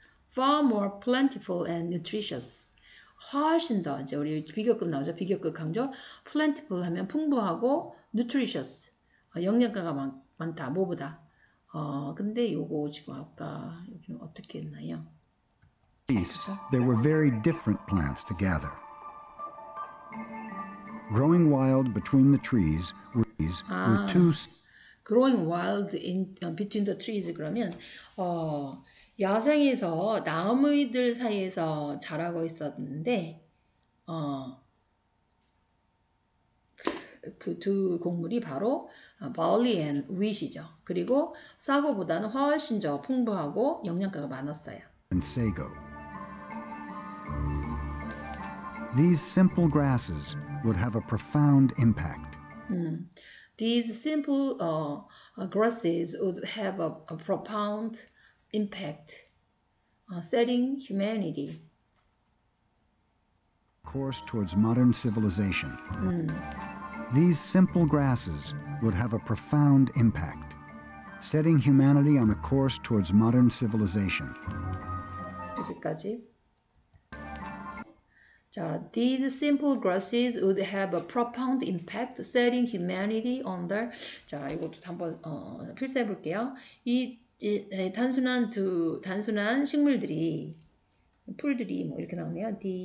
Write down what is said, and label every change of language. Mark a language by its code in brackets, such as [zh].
[en] Far more plentiful and nutritious. [ko] 훨씬 더, 이제 우리 비교급 나오죠. 비교급 강조. Plentiful 하면 풍부하고, nutritious. 영양가가 많다. 뭐보다. 근데 요거 지금 아까 여기는 어떻게 했나요? [en] East, there were very different plants to gather. Growing wild between the trees were two. growing wild in between the trees [ko] 그러면 야생에서 나무들 사이에서 자라고 있었는데 그두 곡물이 바로 [en] barley and wheat [ko] 이죠. 그리고 사과보다는 훨씬 더 풍부하고 영양가가 많았어요. [en] And sago. These simple grasses would have a profound impact. These simple grasses would have a profound impact setting humanity. Course towards modern civilization. These simple grasses would have a profound impact, setting humanity on a course towards modern civilization. [ko] 여기까지. 자, [en] these simple grasses would have a profound impact, setting humanity under. [ko] 자, 이것도 한번 필사해 볼게요. 단순한 식물들이, 풀들이 뭐 이렇게 나오네요.